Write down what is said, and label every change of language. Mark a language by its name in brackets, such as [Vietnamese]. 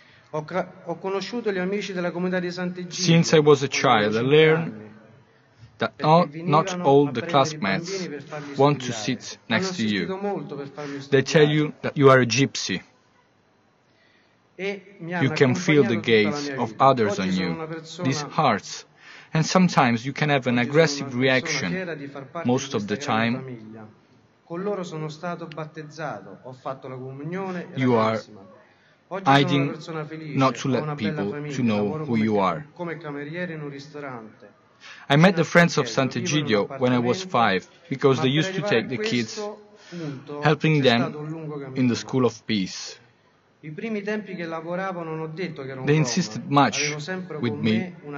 [Italian] Ho conosciuto gli amici della comunità di Sant'Egidio. [English] Since I was a child, I learned that not all the classmates want to sit next to you. They tell you that you are a gypsy. You can feel the gaze of others on you, these hearts. And sometimes you can have an aggressive reaction, most of the time. [Italian] Con loro sono stato battezzato, ho fatto la comunione e la prossima. [English] Hiding not to let people to know who you are. I met the friends of Sant'Egidio when I was 5 because they used to take the kids, helping them in the School of Peace. They insisted much with me.